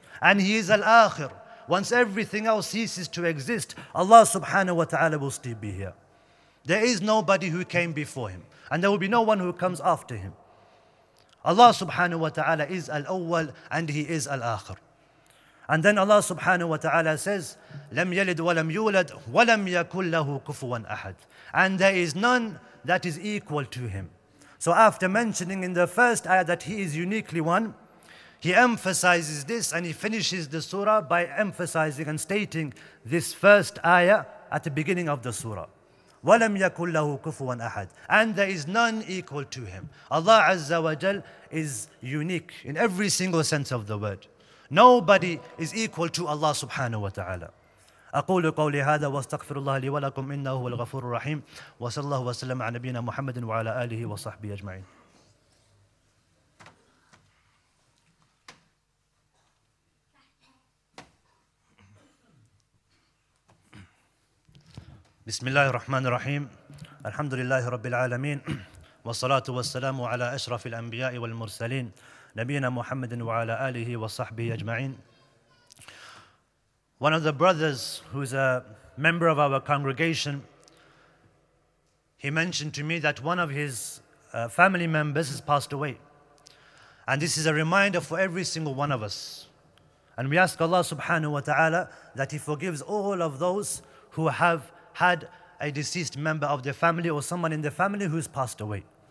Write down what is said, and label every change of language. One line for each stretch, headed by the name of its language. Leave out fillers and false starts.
English: And he is al-akhir. Once everything else ceases to exist, Allah subhanahu wa ta'ala will still be here. There is nobody who came before him. And there will be no one who comes after him. Allah subhanahu wa ta'ala is al-awwal and he is al-akhir.
Arabic: And then Allah subhanahu wa ta'ala says, لَمْ يَلِدْ وَلَمْ يُولَدْ وَلَمْ يَكُلْ لَهُ كُفُوًا أَحَدٍ.
English: And there is none that is equal to him. So after mentioning in the first ayah that he is uniquely one, he emphasizes this and he finishes the surah by emphasizing and stating this first ayah at the beginning of the surah.
Arabic: وَلَمْ يَكُلْ لَهُ كُفُوًا أَحَدٍ.
English: And there is none equal to him. Allah Azza wa Jal is unique in every single sense of the word. Nobody is equal to Allah subhanahu wa ta'ala.
Arabic: أقول قولي هذا واستغفر الله لي ولكم إنه هو الغفور الرحيم وصلى الله وسلم على نبينا محمد وعلى آله وصحبه أجمعين. بسم الله الرحمن الرحيم الحمد لله رب العالمين والصلاة والسلام على أشرف الأنبياء والمرسلين نبينا محمد وعلى آله وصحبه أجمعين.
English: One of the brothers who's a member of our congregation, he mentioned to me that one of his family members has passed away. And this is a reminder for every single one of us. And we ask Allah subhanahu wa ta'ala that He forgives all of those who have had a deceased member of their family or someone in their family who's passed away.